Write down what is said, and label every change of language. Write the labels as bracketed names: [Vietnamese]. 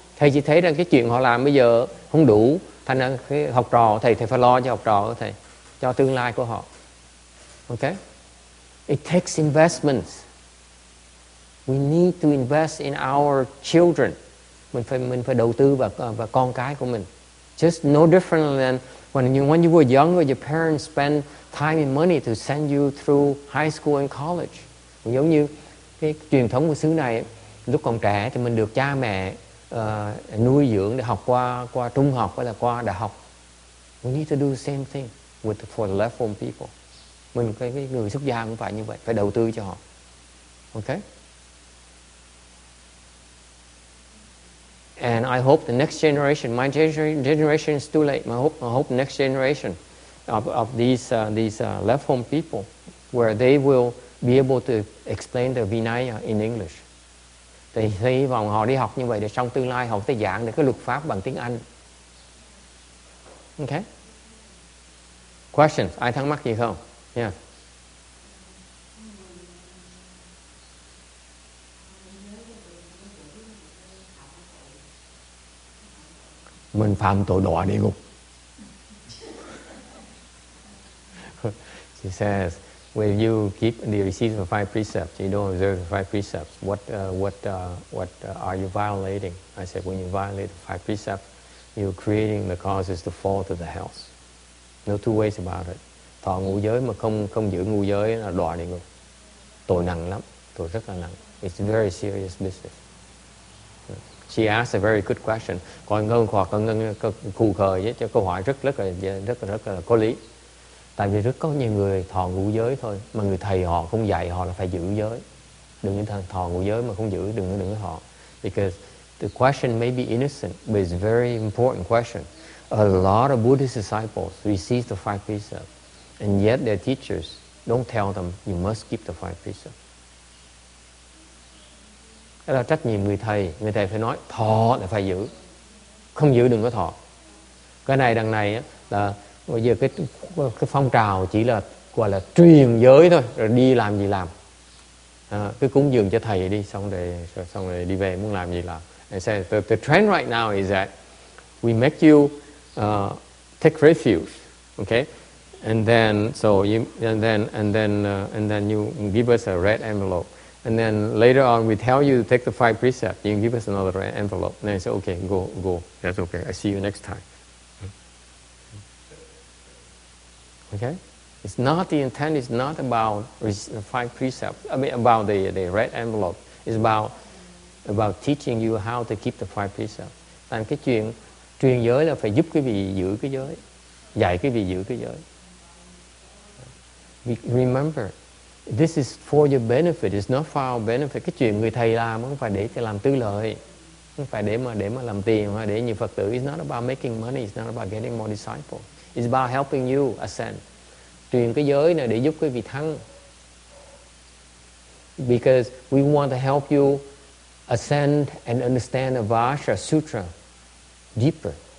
[Vietnamese] Thầy chỉ thấy rằng cái chuyện họ làm bây giờ không đủ, thành ra cái học trò của thầy phải lo cho học trò của thầy, cho tương lai của họ. Okay? [English] It takes investments. We need to invest in our children. [Vietnamese] Mình phải đầu tư vào con cái của mình. [English] Just no different than when you were younger, your parents spend time and money to send you through high school and college. [Vietnamese] Giống như cái truyền thống của xứ này, lúc còn trẻ thì mình được cha mẹ nuôi dưỡng để học qua trung học hay là qua đại học. [English] We need to do the same thing for the left home people. [Vietnamese] Mình cái người xuất gia cũng phải như vậy, phải đầu tư cho họ. [English] Okay? And I hope the next generation, my generation is too late. I hope the next generation of these left home people, where they will be able to explain the Vinaya in English. [Vietnamese] Thì hy vọng họ đi học như vậy để trong tương lai họ có thể giảng được cái luật pháp bằng tiếng Anh. [English] Okay? Questions? [Vietnamese] Ai thắc mắc gì không? [English] Yeah. [Vietnamese] Mình phạm tội đọa địa ngục. [English] She says, "Will you keep the receipts of the five precepts? You don't observe the five precepts. What are you violating?" I said, "When you violate the five precepts, you're creating the causes to fall to the hells. No two ways about it. [Vietnamese] Thọ ngũ giới mà không giữ ngũ giới là đọa địa ngục. Tội nặng lắm, tội rất là nặng. [English] It's very serious business." She asked a very good question. [Vietnamese] Còn ngân hoặc ngân khù khờ với cho câu hỏi rất là có lý. Tại vì rất có nhiều người thọ ngũ giới thôi, mà người thầy họ không dạy họ là phải giữ giới. Đừng như thọ ngũ giới mà không giữ, đừng thọ. [English] Because the question may be innocent, but it's a very important question. A lot of Buddhist disciples receive the five precepts, and yet their teachers don't tell them you must keep the five precepts. [Vietnamese] Đó là trách nhiệm người thầy phải nói thọ là phải giữ, không giữ đừng có thọ. Cái này đằng này là bây giờ cái phong trào chỉ là gọi là truyền giới thôi, rồi đi làm gì làm, cứ cúng dường cho thầy đi, xong rồi đi về muốn làm gì làm. [English] And so the trend right now is that we make you take refuge, okay, and then you give us a red envelope. And then later on, we tell you to take the five precepts. You can give us another envelope. And then I say, okay, go. That's okay. I see you next time. Okay? It's not the intent. It's not about the five precepts. I mean, about the red envelope. It's about teaching you how to keep the five precepts. [Vietnamese] Tại cái chuyện truyền giới là phải giúp quý vị giữ cái giới, dạy quý vị giữ cái giới. [English] Remember, this is for your benefit, it's not for our benefit. [Vietnamese] Cái chuyện người thầy làm không phải để làm tư lợi, không phải để mà làm tiền, mà để như Phật tử. [English] It's not about making money, it's not about getting more disciples. It's about helping you ascend. [Vietnamese] Truyền cái giới này để giúp quý vị thắng. [English] Because we want to help you ascend and understand the Vajra Sutra deeper.